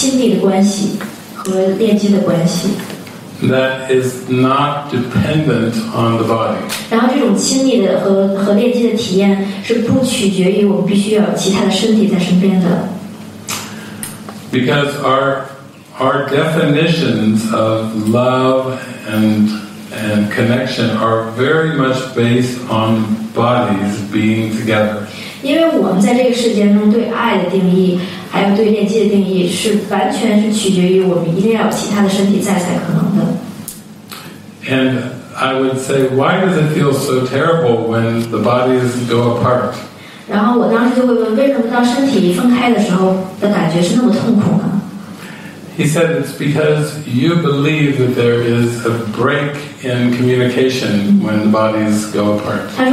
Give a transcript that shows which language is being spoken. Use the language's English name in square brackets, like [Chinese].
[Chinese] 就这样他才能把我们带到一种新的体验中,去体验这种亲密的关系和链接的关系。 [English] That is not dependent on the body. [Chinese] 然后这种亲密的和链接的体验是不取决于我们必须要有其他的身体在身边的。 [English] Because our definitions of love and connection are very much based on bodies being together. [Chinese] 因为我们在这个世界中对爱的定义还有对链接的定义是完全是取决于我们一定要有其他的身体在才可能的。 [English] And I would say, why does it feel so terrible when the bodies go apart? [Chinese] 然后我当时就会问,为什么当身体分开的时候的感觉是那么痛苦呢? [English] He said, it's because you believe that there is a break in communication when the bodies go apart.